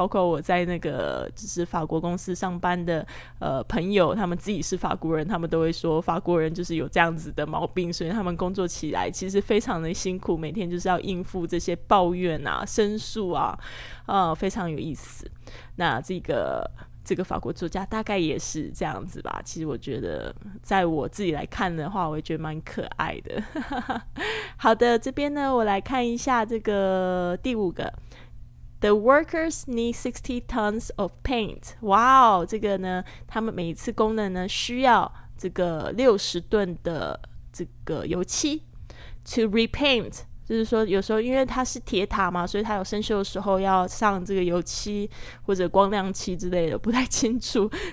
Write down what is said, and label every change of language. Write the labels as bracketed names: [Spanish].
[Chinese] 包括我在那个就是法国公司上班的朋友，他们自己是法国人，他们都会说法国人就是有这样子的毛病，所以他们工作起来其实非常的辛苦，每天就是要应付这些抱怨啊申诉啊非常有意思。那这个法国作家大概也是这样子吧，其实我觉得在我自己来看的话我也觉得蛮可爱的好的，这边呢我来看一下这个第五个 [English] The workers need 60 tons of paint. [Chinese] 哇哦，这个呢，他们每一次工人呢需要这个60吨的这个油漆 [English] to repaint。 [Chinese] 就是说有时候因为它是铁塔嘛，所以它有生锈的时候要上这个油漆或者光亮漆之类的，不太清楚。